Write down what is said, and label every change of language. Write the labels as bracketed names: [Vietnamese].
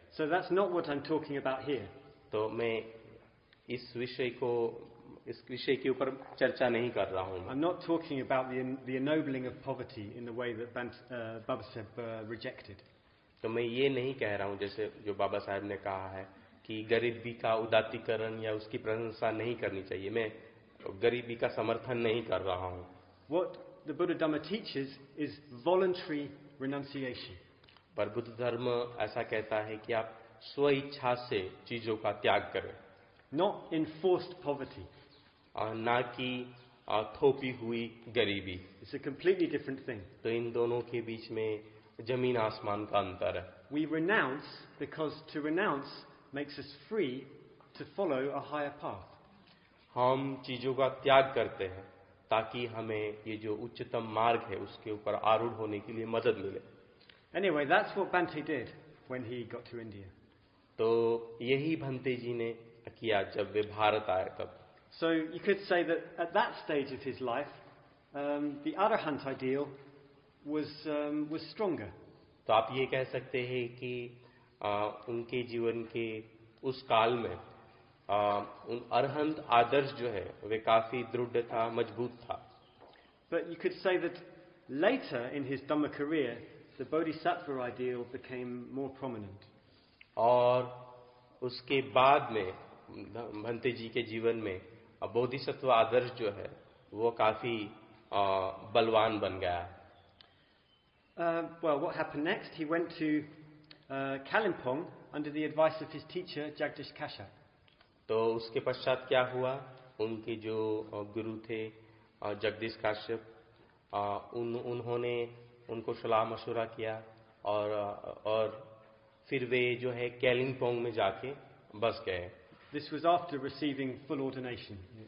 [English] So that's not what I'm talking about here. [Hindi] तो मैं इस विषय को इस विषय के ऊपर चर्चा नहीं कर रहा हूं। [English] I'm not talking about the ennobling of poverty in the way that Baba Saheb rejected. [Hindi] तो मैं ये नहीं कह रहा हूं जैसे जो बाबा साहब ने कहा है कि गरीबी का उदात्तीकरण या उसकी प्रशंसा नहीं करनी चाहिए। मैं गरीबी का समर्थन नहीं कर रहा हूं। [English] What the Buddha Dhamma teaches is voluntary renunciation. [Hindi] पर बुद्ध धर्म ऐसा कहता है कि आप स्व इच्छा से चीजों का त्याग करें। [English] Not enforced poverty. [Hindi] ना कि थोपी हुई गरीबी। [English] It's a completely different thing. [Hindi] तो इन दोनों के बीच में जमीन आसमान का अंतर है। [English] We renounce because to renounce makes us free to follow a higher path. [Hindi] हम चीजों का त्याग करते हैं ताकि हमें ये जो उच्चतम मार्ग है उसके ऊपर आरूढ़ होने के लिए मदद मिले। [English] Anyway, that's what Bhante did when he got to India. [Hindi] तो यही भंते जी ने किया जब वे भारत आए तब। [English] So you could say that at that stage of his life, the Arahant ideal was stronger. [Hindi] तो आप ये कह सकते हैं कि उनके जीवन के उस काल में उन अरहंत आदर्श जो है वे काफी दृढ़ था, मजबूत था। [English] But you could say that later in his Dhamma career, the Bodhisattva ideal became more prominent. [Hindi] और उसके बाद में भंते जी के जीवन में बोधिसत्व आदर्श जो है वो काफी बलवान बन गया। [English] Well, what happened next? He went to Kalimpong under the advice of his teacher Jagdish Kasha. [Hindi] तो उसके पश्चात क्या हुआ? उनके जो गुरु थे जगदीश काश्यप, उन्होंने उनको सलाह मशवरा किया और फिर वे जो है कैलिमपोंग में जाके बस गए। [English] This was after receiving full ordination.